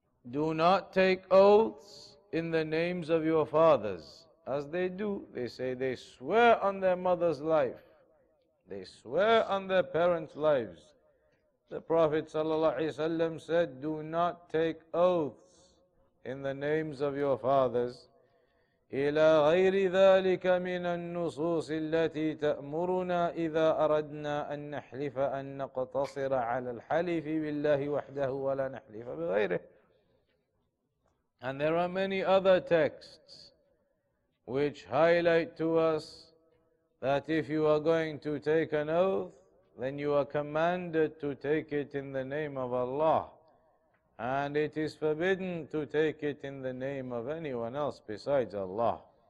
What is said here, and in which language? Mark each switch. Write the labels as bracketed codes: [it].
[en] Do not take oaths in the names of your fathers. As they do, they say they swear on their mother's life. They swear on their parents' lives. The Prophet ﷺ said, do not take oaths in the names of your fathers. [ar] إلى غير ذلك من النصوص التي تأمرنا إذا أردنا أن نحلف أن نقتصر على الحلف بالله وحده ولا نحلف بغيره. [en] And there are many other texts which highlight to us that if you are going to take an oath, then you are commanded to take it in the name of Allah. And it is forbidden to take it in the name of anyone else besides Allah.